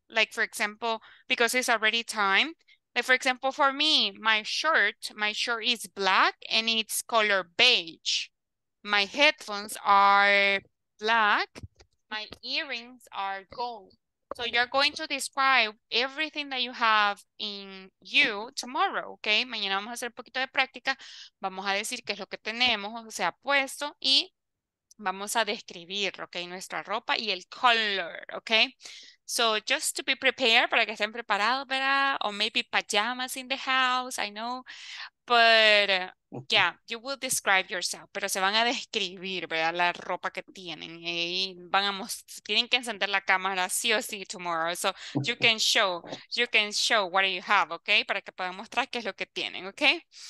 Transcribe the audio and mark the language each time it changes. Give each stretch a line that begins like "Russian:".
English: Like, for example, because it's already time. Like, for example, for me, my shirt is black and it's color beige. My headphones are black. My earrings are gold. So you're going to describe everything that you have in you tomorrow, okay?
Spanish: Mañana vamos a hacer un poquito de práctica. Vamos a decir qué es lo que tenemos, o sea, puesto. Y vamos a describir, okay, nuestra ropa y el color, okay?
English: So just to be prepared,
Spanish: para que estén preparados, ¿verdad?
English: Or maybe pajamas in the house, I know. But yeah, you will describe yourself.
Spanish: Pero se van a describir, ¿verdad? La ropa que tienen. Y van a tienen que encender la cámara sí o sí tomorrow.
English: So you can show what you have, okay?
Spanish: Para que puedan mostrar qué es lo que tienen, okay?